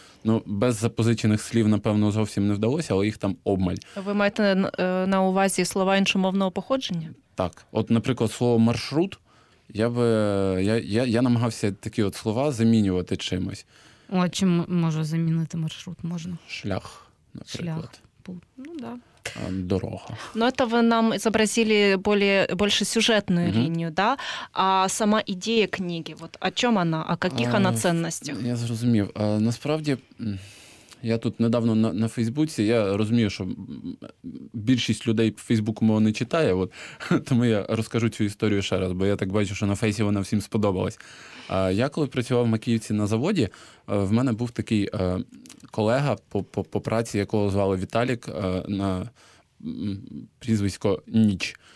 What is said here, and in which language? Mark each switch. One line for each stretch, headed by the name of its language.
Ukrainian: Ну, без запозичених слів, напевно, зовсім не вдалося, але їх там обмаль. Ви маєте на увазі слова іншомовного походження? Так. От, наприклад, слово «маршрут», я намагався такі от слова замінювати чимось. О, чим можу замінити маршрут? Можна. Шлях, наприклад. Шлях. Ну, да. Дорога.
Russian: Но это вы нам изобразили больше сюжетную линию, да? А сама идея книги, вот о чем она, о каких она ценностях?
Ukrainian: Я зрозумів. Насправді, я тут недавно на Фейсбуці, я розумію, що більшість людей по Фейсбуку мого не читає, от, тому я розкажу цю історію ще раз, бо я так бачу, що на Фейсі вона всім сподобалась. Я коли працював в Макіївці на заводі, в мене був такий колега по праці, якого звали Віталік, на прізвисько Ніч.